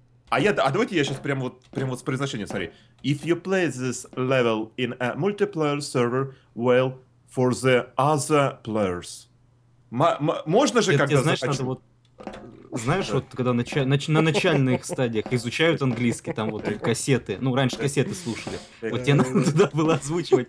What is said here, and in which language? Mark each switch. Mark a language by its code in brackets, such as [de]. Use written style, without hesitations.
[ru] А давайте я сейчас прямо вот с произношением, смотри. [en] If you play this level in a multiplayer server, well, for the other players. [ru] Можно же, когда захочу? Вот, знаешь, вот когда на начальных стадиях изучают английский, там вот кассеты, ну, раньше кассеты слушали, вот тебе надо туда было озвучивать.